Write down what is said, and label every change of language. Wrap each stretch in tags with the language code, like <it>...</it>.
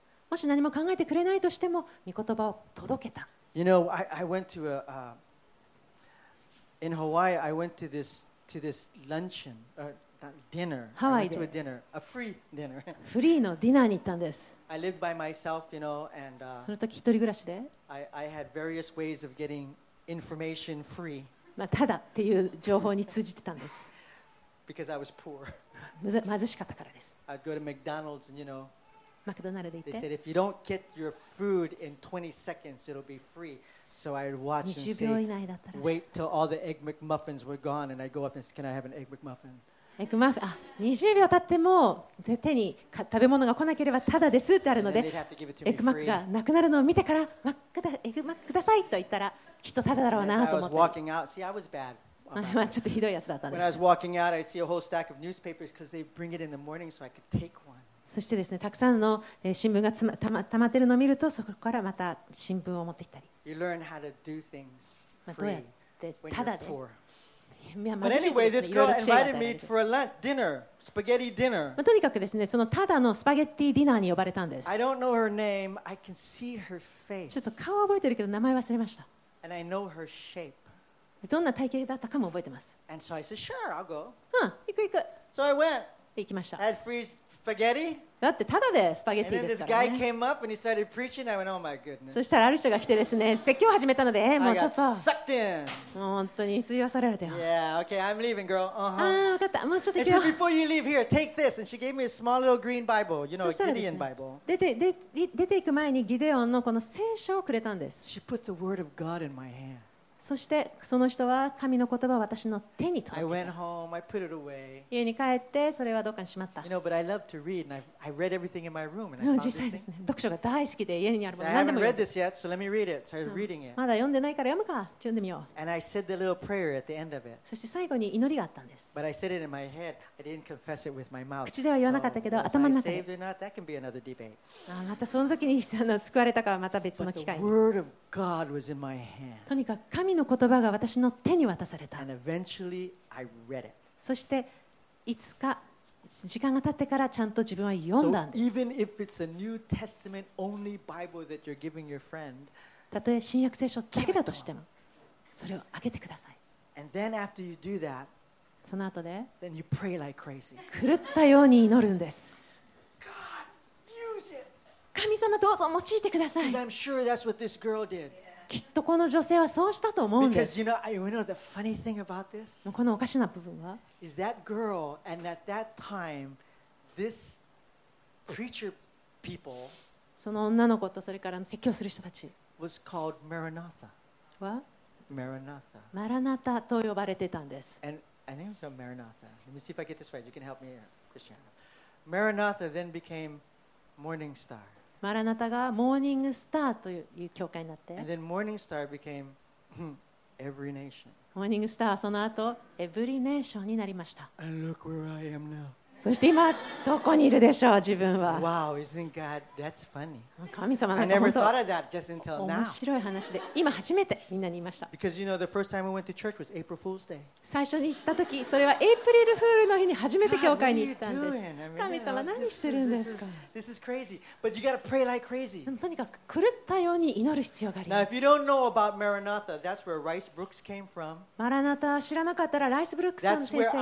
<ja>もし何も考えてくれないとしても、御言葉を届けた。</ja> <en>You know, I went to a, in Hawaii, I went to this luncheon, not dinner.</en> <ja>ハワイで。</ja> <en>I went to a dinner, a free dinner.</en> <ja>フリーのディナーに行ったんです。</ja> <en>I lived by myself, you know, and,</en> <ja>その時一人暮らしで。</ja> <en>I had various ways of getting information free.</en> <ja>まあ、ただっていう情報に通じてたんです。</ja> <en>Because I was poor.</en> <ja>貧しかったからです。</ja> <en>I'd go to McDonald's and you know,</en> <ja>マクドナルド行って。</ja> <en>They said if you don't get your food in 20 seconds, it'll be free. So I'd watch and say,</en> <ja>20秒以内だったら。</ja> <en>Wait till all the egg McMuffins were gone, and I'd go up and say, can I have an egg McMuffin? Egg McMuffin.</en> <ja>20秒経っても手に食べ物が来なければただですってあるので、エッグマックがなくなるのを見てからマックだエッグマックくださいと言ったらきっとただだろうなと思って。</ja> <en>I was walking out. See, I was bad.</en> <ja>まあ、ちょっとひどいやつだったんです。</ja> <en>When I was walking out, I'd see a whole stack of newspapers because they bring it in the morning so I could take one.</en> <ja>そしてですね、たくさんの新聞がたまってるのを見ると、そこからまた新聞を持ってきたり。</ja> <en>You learn how to do things free when you're poor. But anyway, this girl invited me for a lunch dinner, spaghetti dinner.</en> <ja>とにかくですね、そのただのスパゲッティディナーに呼ばれたんです。</ja> <en>I don't know her name. I can see her face.</en> <ja>ちょっと顔は覚えてるけど名前忘れました。</ja> <en>And I know her shape.</en> <ja>どんな体型だったかも覚えてます。</ja> <en>And so I said, sure, I'll go.</en> <ja>うん、行く行く。</ja> <en>So I went.</en> <ja>行きました。</ja> <en>I had free spaghetti.</en> <ja>だってただでスパゲッティですからね。</ja> <en>And then this guy came up and he started preaching. I went, oh my goodness.</en> <ja>そしたらある人が来てですね、説教を始めたので、もうちょっと。</ja> <en>I got sucked in.</en> <ja>もう本当に吸い寄せられたよ。</ja> <en>Yeah, okay, I'm leaving, girl.</en> <ja>ああ、分かった。もうちょっと行くよ。</ja> <en>And so before you leave here, take this. And she gave me a small little green Bible, you know, a Gideon Bible.</en> <ja>出て行く前にギデオンのこの聖書をくれたんです。</ja> <en>She put the word of God in my hand.</en> <ja>そしてその人は神の言葉を私の手に届けた。</ja> <en>I went home, I put it away.</en> <ja>家に帰ってそれはどっかにしまった。</ja> <en>You know, but I love to read, and I read everything in my room, and I found this thing.</en> <ja>読書が大好きで家にあるもの。</ja> <en>I haven't read this yet, so let me read it. So I was reading it.</en> <ja>まだ読んでないから読むか。読んでみよう。</ja> <en>And I said the little prayer at the end of it.</en> <ja>そして最後に祈りがあったんです。</ja> <en>But I said it in my head. I didn't confess it with my mouth.</en> <ja>口では言わなかったけど、頭の中で。</ja> <en>Was I saved or not? That can be another debate.</en> <ja>またその時に救われたかはまた別の機会。</ja> <en>But the word of God was in my hand.</en> <ja>とにかく神の言葉が私の手に渡された。</ja> <en>And eventually I read it.</en> <ja>そしていつか時間が経ってからちゃんと自分は読んだんです。</ja> <en>So even if it's a New Testament only Bible that you're giving your friend,</en> <ja>たとえ新約聖書だけだとしてもそれをあげてください。</ja> <en>And then after you do that,</en> <ja>その後で</ja> <en>then you pray like crazy.</en> <ja>狂ったように祈るんです。</ja> <en>God, use it.</en> <ja>神様どうぞ用いてください。</ja> <en>Because I'm sure that's what this girl did.</en> <ja>きっとこの女性はそうしたと思うんです。</ja> <en>Because, you know, I, you know,</en> <ja>このおかしな部分は</ja> <en>is that girl, and at that time, this preacher people,</en> <ja>その女の子とそれから説教する人たち</ja> <en>was called Maranatha.</en> <ja>はマラナタ、マラナタと呼ばれてたんです。</ja> <en>And I think it was Maranatha. Let me see if I get this right. You can help me, Christiana. Maranatha then became Morning Star.</en> <ja>マラナタがモーニングスターという教会になって、</ja> <en>And then Morning Star became every nation.</en> <ja>モーニングスターはその後エブリネーションになりました。</ja> <en>And look where I am now.</en> <ja>そして今どこにいるでしょう自分は。</ja> <en>Wow, isn't God? That's funny.</en> <ja>神様なんか</ja> <en>I never thought of that just until now.</en> <ja>面白い話で今初めてみんなに言いました。</ja> <en>Because you know the first time I went to church was April Fool's Day.</en> <ja>最初に行った時それはエイプリルフールの日に初めて教会に行ったんです。神様何してるんですか。</ja> <en>This is crazy. But you got to pray like crazy.</en> <ja>とにかく狂ったように祈る必要があります。</ja> <en>Now if you don't know about Maranatha, that's where Rice Brooks came from.</en> <ja>マラナタ知らなかったらライスブルックスさん先生の。</ja>